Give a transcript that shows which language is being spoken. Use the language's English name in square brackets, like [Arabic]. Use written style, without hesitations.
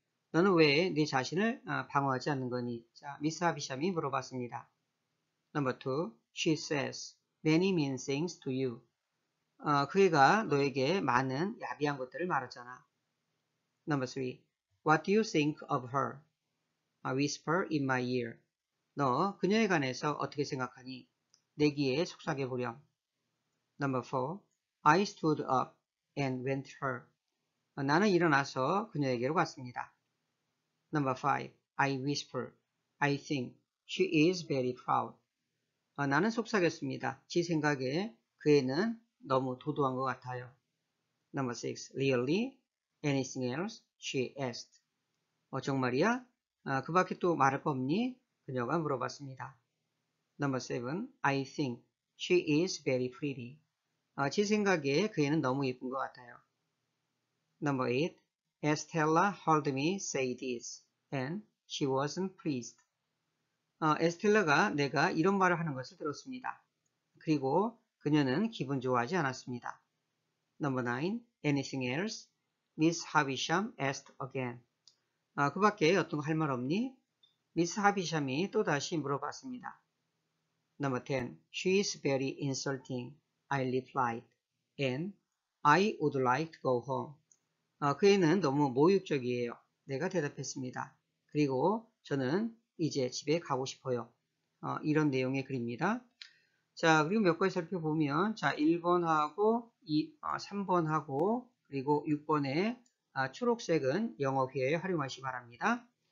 [Korean] 너는 왜네 자신을 방어하지 않는 거니? 자, Miss Havisham이 물어봤습니다. [English] Number 2. She says many mean things to you. [Korean] 그 애가 너에게 많은 야비한 것들을 말하잖아. [English] Number 3. What do you think of her? A whisper in my ear. [Korean] 너 그녀에 관해서 어떻게 생각하니? 내 귀에 속삭여 보렴. [English] Number 4. I stood up and went to her. [Korean] 나는 일어나서 그녀에게로 갔습니다. [English] Number 5. I whisper. I think she is very proud. [Korean] 나는 속삭였습니다. 지 생각에 그 애는 너무 도도한 것 같아요. [English] Number 6. Really? Anything else? She asked. [Korean] 정말이야? 그 밖에 또 말할 거 없니? 그녀가 물어봤습니다. [English] Number 7. I think she is very pretty. [Korean] 제 생각에 그 애는 너무 예쁜 것 같아요. [English] Number 8. Estella heard me say this, and she wasn't pleased. [Korean] 에스텔라가 내가 이런 말을 하는 것을 들었습니다. 그리고 그녀는 기분 좋아하지 않았습니다. [English] Number 9. Anything else? Miss Havisham asked again. [Korean] 그 밖에 어떤 거할말 없니? Miss Havisham이 또다시 물어봤습니다. [English] Number 10. She is very insulting. I replied. And I would like to go home. [Korean] 그 애는 너무 모욕적이에요. 내가 대답했습니다. 그리고 저는 이제 집에 가고 싶어요. 이런 내용의 글입니다. 자, 그리고 몇 가지 살펴보면, 자, 1번하고, 3번하고, 그리고 6번에 초록색은 영어 회화에 활용하시기 바랍니다.